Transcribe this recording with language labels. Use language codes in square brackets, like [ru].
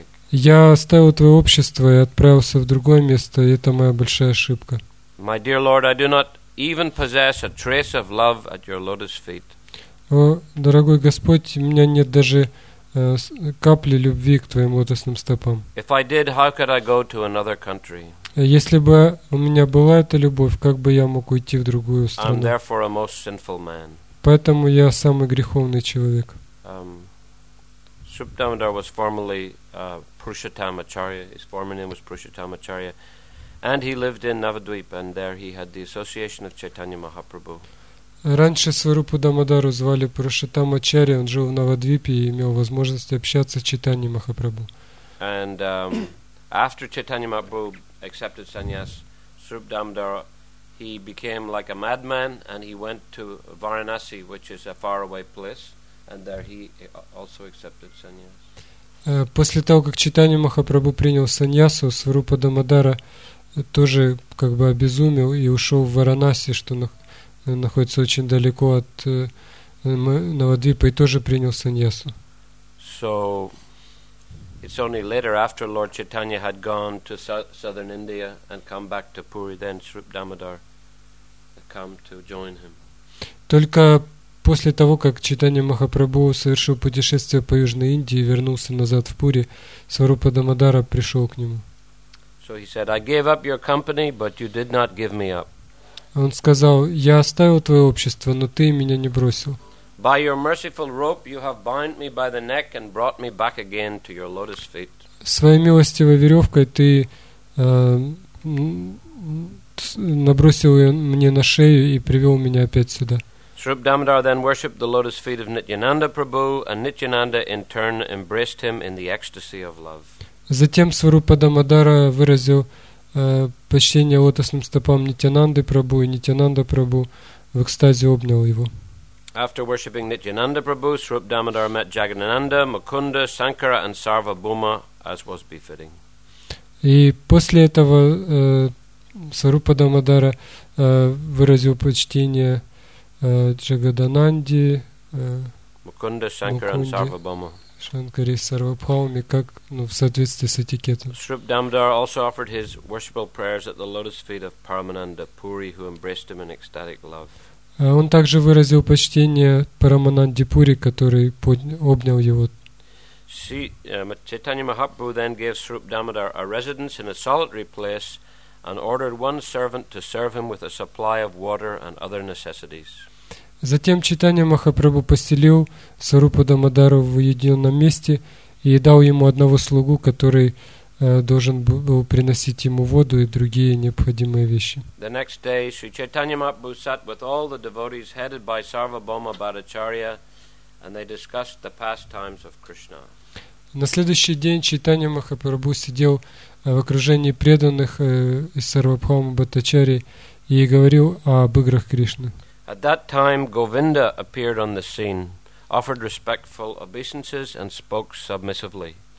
[ru] Я оставил твое общество и отправился в другое место, и это моя большая ошибка. [en] My dear Lord, I do not even possess a trace of love at your lotus feet." [ru] О, дорогой Господь, у меня нет даже капли любви к твоим лотосным стопам. [en] If I did, how could I go to another country? [ru] Если бы у меня была эта любовь, как бы я мог уйти в другую страну? [en] I'm therefore a most sinful man. [ru] Поэтому я самый греховный человек. [en] Srup Damodar was formerly Purushottamacharya. His former name was Purushottamacharya. And he lived in Navadvip, and there he had the association of Chaitanya Mahaprabhu. [ru] Раньше Сварупу Дамодару звали Пурушоттамачарья, он жил в Навадвипе и имел возможность общаться с Чайтаньей Махапрабху. [en] And after Chaitanya Mahaprabhu accepted sannyas, Srup Damodara, he became like a madman, and he went to Varanasi, which is a faraway place, and there he also accepted sannyas. [ru] После того, как Чайтанья Махапрабху принял саньясу, Сварупа Дамодара тоже как бы обезумел и ушел в Варанаси, что находится очень далеко от Навадвипа, и тоже принял саньясу. [en] So, it's only later, after Lord Chaitanya had gone to southern India and come back to Puri, then Srup Damodar came to join him. [ru] Только после того, как Чайтанья Махапрабху совершил путешествие по Южной Индии и вернулся назад в Пури, Сварупа Дамодара пришел к нему. [en] So he said, "I gave up your company, but you did not give me up." [ru] Он сказал: "Я оставил твое общество, но ты меня не бросил." [en] By your merciful rope, you have bound me by the neck and brought me back again to your lotus feet. [ru] Своей милостивой веревкой ты набросил ее мне на шею и привел меня опять сюда. [en] Srup Damodar then worshipped the lotus feet of Nityananda Prabhu, and Nityananda in turn embraced him in the ecstasy of love. [ru] Затем Сварупа Дамодара выразил почтение лотосным стопам Нитянанды Прабху, и Нитянанда Прабху в экстазе обнял его. [en] After worshipping Nityananda Prabhu, Srup Damodara met Jagannanda, Mukunda, Sankara and Sarva Bhuma, as was befitting. [ru] И после этого Сварупа Дамодара выразил почтение Джагадананде, Мукунда, Санкара и Сарва Бхума. Шанкари Сарвабхауми, как, ну, в соответствии с этикетом. [en] Шрупдамадара also offered his worshipful prayers at the lotus feet of Paramananda Puri, who embraced him in ecstatic love. [ru] Он также выразил почтение Парамананде Пури, который обнял его. [en] Чайтанья Махапрабху then gave Шрупдамадара a residence in a solitary place and ordered one servant to serve him with a supply of water and other necessities. [ru] Затем Чайтанья Махапрабху поселил Сарупу Дамодару в уединенном месте и дал ему одного слугу, который должен был приносить ему воду и другие необходимые вещи. [en] The next day, Sri Chaitanya Mahaprabhu sat with all the devotees headed by Sarvabhauma Bhattacharya, and they discussed the pastimes of Krishna. [ru] На следующий день Чайтанья Махапрабху сидел в окружении преданных из Сарвабхаумы Бхаттачарьи и говорил об играх Кришны. [en] At that time, Govinda appeared on the scene, offered respectful obeisances, and spoke submissively.